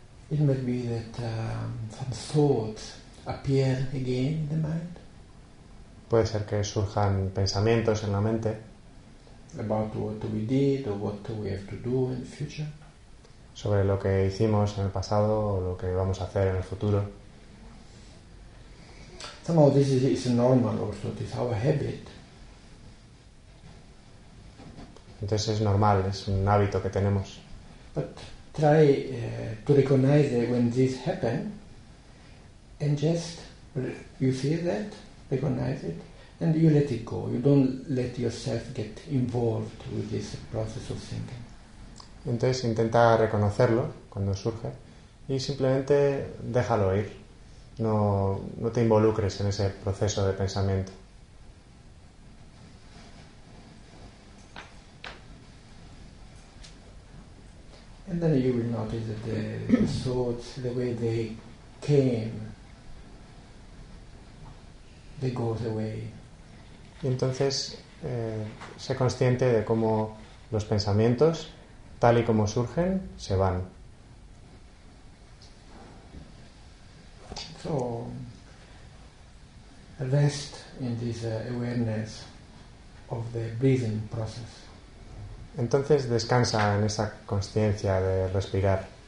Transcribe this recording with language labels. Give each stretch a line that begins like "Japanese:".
English: It might be that some thoughts appear again in the mind.
Spanish: Puede ser que surjan pensamientos en la mente.
English: About what we did or what we have to do in the future.
Spanish: Sobre lo que hicimos en el pasado o lo que vamos a hacer en el futuro.
English: Somehow this is normal also, it is our habit.
Spanish: Entonces es normal, es un hábito que tenemos.
English: But try to recognize it when this happens, and just you see that, recognize it, and you let it go. You don't let yourself get involved with this process of thinking.
Spanish: Entonces intenta reconocerlo cuando surge y simplemente déjalo ir. No te involucres en ese proceso de pensamiento.
English: And then you will notice that the thoughts, the way they came, they go away.
Spanish: Y entonces, sé consciente de cómo los pensamientos, tal y como surgen, se van.
English: So, rest in this awareness of the breathing process.
Spanish: Entonces descansa en esa consciencia de respirar.